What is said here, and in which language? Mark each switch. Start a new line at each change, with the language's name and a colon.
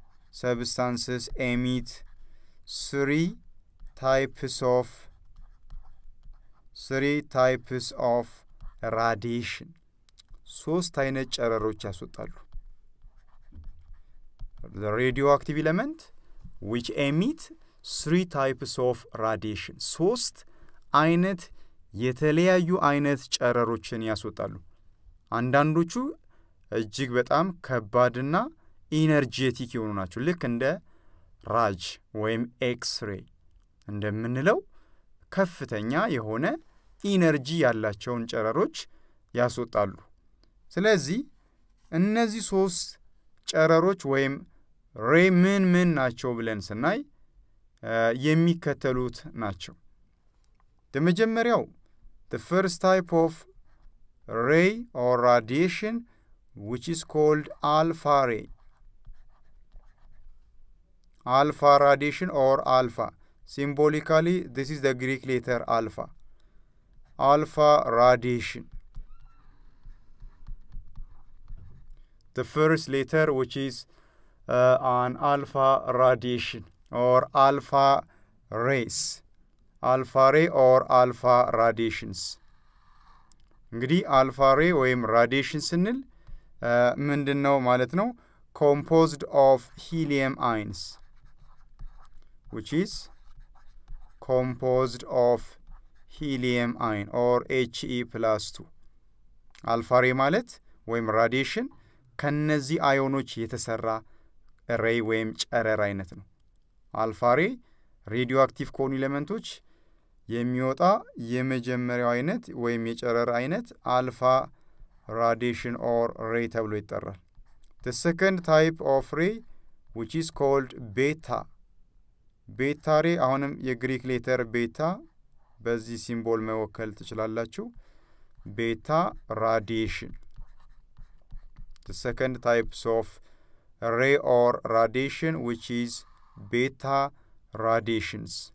English: Substances emit three types of radiation.
Amharic: ሶስት አይነት ጨረሮች ያስወጣሉ።
English: The radioactive element which emit three types of radiation.
Amharic: ሶስት አይነት የተለያዩ አይነት ጨረሮችን ያስወጣሉ። አንዳንዶቹ እጅግ በጣም ከባድና ኢነርጂቲክ የሆኑ ናቸው። ልክ እንደ ራጅ ወይም ኤክስሬ እንደምንለው ከፍተኛ የሆነ ኢነርጂ ያላቸውን ጨረሮች ያስወጣሉ። ስለዚህ እነዚህ ሶስት ጨረሮች ወይም ሬ ምን ምን ናቸው ብለን ስናይ የሚከተሉት ናቸው። ተመጀመሪያው
English: the first type of ray or radiation which is called alpha ray. Alpha radiation or alpha. Symbolically this is the Greek letter alpha. Alpha radiation. The first letter which is an alpha radiation or alpha rays. Alpha ray or alpha radiations.
Amharic: እንግዲህ alpha ray ወይም radiation ስንል ምንድነው ማለት ነው?
English: Composed of helium ions. Which is composed of helium ion or He plus 2.
Amharic: Alpha ray ማለት ወይም radiation ከነዚህ አዮኖች የተሰራ ray ወይም ጨረር አይነት ነው። Alpha ray radioactive ከሆኑ elementsዎች የሚወጣ የመጀመሪያው አይነት ወይም የጨረር አይነት alpha radiation or ray ተብሎ ይጠራል።
English: The second type of ray which is called beta.
Amharic: Beta ray አሁንም የግሪክ ሌተር beta በዚህ ሲምቦል መወከል ትችላላችሁ። Beta radiation.
English: The second type of ray or radiation which is beta radiations.